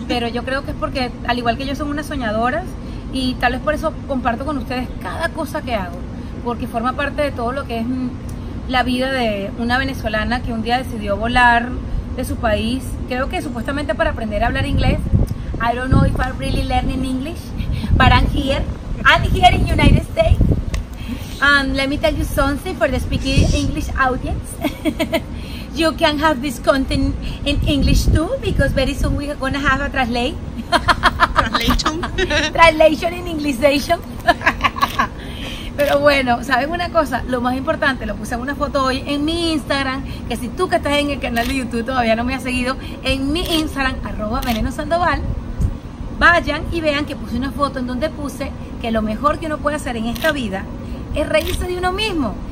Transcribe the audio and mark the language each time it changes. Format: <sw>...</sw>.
<es>Pero yo creo que es porque, al igual que yo, son unas soñadoras, y tal vez por eso comparto con ustedes cada cosa que hago. Porque forma parte de todo lo que es la vida de una venezolana que un día decidió volar de su país, creo que supuestamente para aprender a hablar inglés.</es> <en>I don't know if I'm really learning English, but I'm here in United States. And let me tell you something for the speaking English audience. You can have this content in English too, because very soon we're gonna have a translation. Translation in Englishation.</en> <es>Pero bueno, ¿saben una cosa? Lo más importante, lo puse en una foto hoy en mi Instagram, que si tú que estás en el canal de YouTube todavía no me has seguido, en mi Instagram, @venenosandoval, vayan y vean que puse una foto en donde puse que lo mejor que uno puede hacer en esta vida es reírse de uno mismo.</es>